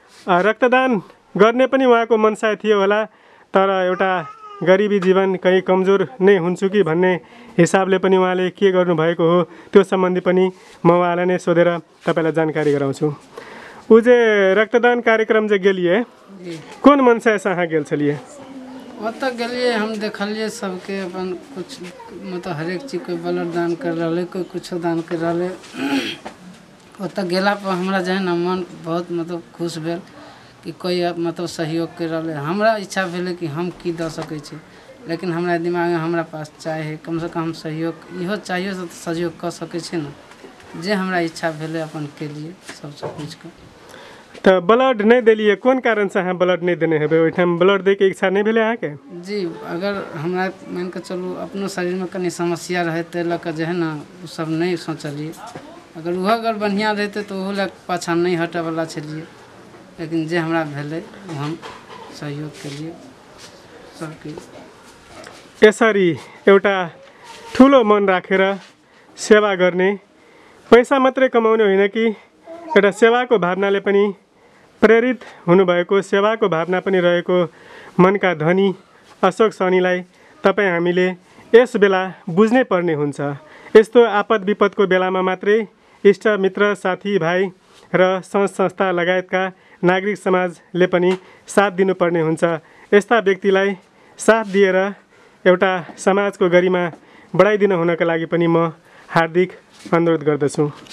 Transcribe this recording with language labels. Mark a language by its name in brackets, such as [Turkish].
[Nepali] रक्तदान गर्ने पनि उहाँको मनसाय थियो होला तर एउटा गरिबी जीवन कहीँ कमजोर नै हुन्छु कि भन्ने हिसाबले पनि उहाँले के गर्नुभएको हो त्यो सम्बन्धी पनि म उहाँलाई नै सोधेर तपाईँलाई जानकारी गराउँछु [Maithili] ऊ जे रक्तदान कार्यक्रम जे गेलिए कुन मनसायसँग अहाँ गेल छलिए ओतय गेलिए हम देखलिए सबके अपन कुछ मतलब हरेक चीज कोई ब्लड दान कर रहल है कोई कुछ दान कर रहल है ओतय गेलापर हमरा जे है ना मन बहुत मतलब खुश भेल कि कोई मतलब सहयोग कर रहल है हमरा इच्छा भेल कि हम की दे सकै छी लेकिन हमरा दिमाग में हमरा पास चाहे है कम से कम हम सहयोग इहो चाहिए तो सहयोग कर सकै छी ना जे हमरा इच्छा भेल अपन के लिए सब कुछ के तो ब्लड नहीं दिलिए कौन कारण से अहाँ ब्लड नहीं देने हेबे ओहिठाम ब्लड दे के इच्छा नहीं भेल अहाँ के जी अगर हमरा मान के चलू अपनो शरीर में कनी समस्या रहे ते ल के जे है ना ओ सब नहीं सोचलिए अगर ओहो अगर बढ़िया रहते तो ओहो ल पाछा नहीं हटे वाला छलिए लेकिन जे हमरा भेले ओ हम सहयोग के लिए सबके [Nepali] यसरी एउटा ठूलो मन राखेर सेवा गर्ने पैसा मात्रै कमाउने होइन कि एउटा सेवाको भावनाले पनि प्रेरित हुनुभएको सेवाको भावना पनि रहेको मनका धनी अशोक सहनीलाई तपाईँ हामीले यस बेला बुझ्नै पर्ने हुन्छ यस्तो आपद विपदको बेलामा मात्रै इष्ट मित्र साथीभाइ र सङ्घ संस्था लगायतका नागरिक समाजले पनि साथ दिनुपर्ने हुन्छ यस्ता व्यक्तिलाई साथ दिएर एउटा समाजको गरिमा बढाइदिन हुनको लागि पनि म हार्दिक अनुरोध गर्दछु